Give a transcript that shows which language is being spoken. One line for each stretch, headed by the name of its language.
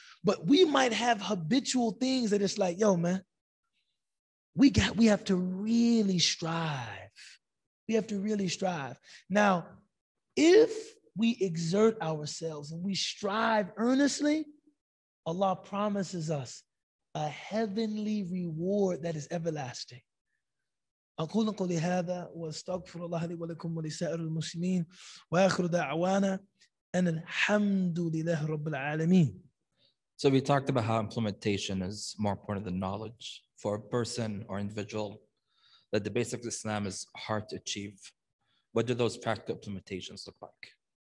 English: But we might have habitual things that it's like, yo, man, we have to really strive. We have to really strive. Now, if we exert ourselves and we strive earnestly, Allah promises us a heavenly reward that is everlasting.
Arabic: أقول قولي هذا واستغفر الله لي ولكم ولسائر المسلمين وآخر دعوانا أن الحمد لله رب العالمين.
English: So we talked about how implementation is more important than knowledge for a person or individual. That the basics of Islam is hard to achieve. What do those practical implementations look like?